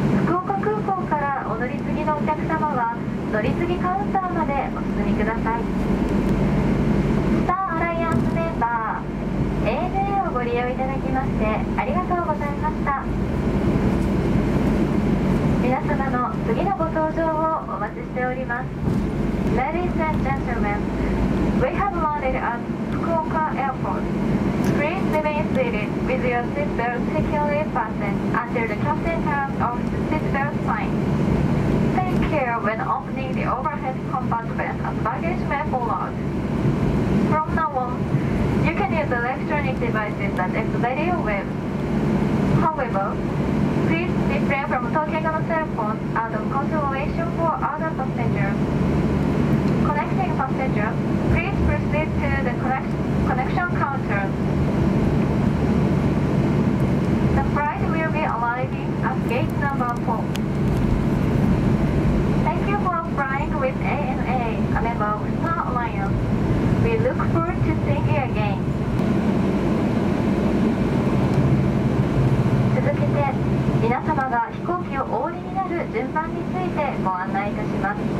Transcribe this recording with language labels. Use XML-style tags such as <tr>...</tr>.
<ja>福岡空港からお乗り継ぎのお客様は乗り継ぎカウンターまでお進みください。スターアライアンスメンバー ANA をご利用いただきましてありがとうございました。皆様の次のご搭乗をお待ちしております。</ja> <en>Ladies and gentlemen, we have landed at Fukuoka Airport. Please remain seated with your seatbelt securely fastened until the captain turns off the seatbelt sign. Take care when opening the overhead compartment as baggage may fall out. From now on, you can use electronic devices such as radio waves. However,refrain from talking on cell phones out of consideration for other passengers. Connecting passengers, please proceed to the connection counter. The flight will be arriving at gate number 4. Thank you for flying with ANA, a member of Star Alliance. We look forward to seeing you again.</en> <ja>皆様が飛行機をお降りになる順番についてご案内いたします。</ja>